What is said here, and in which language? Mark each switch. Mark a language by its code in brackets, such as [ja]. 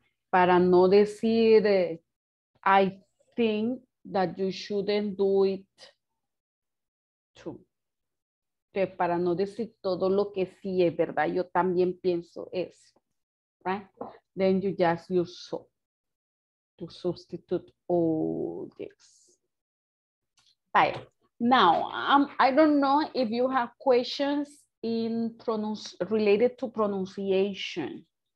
[es] Para no decir, [en] I think that you shouldn't do it too. [es] Que para no decir todo lo que sí es verdad, yo también pienso eso. [en] Right? Then you just use so to substitute all this. Bye. Now, I don't know if you have questions in related to pronunciation.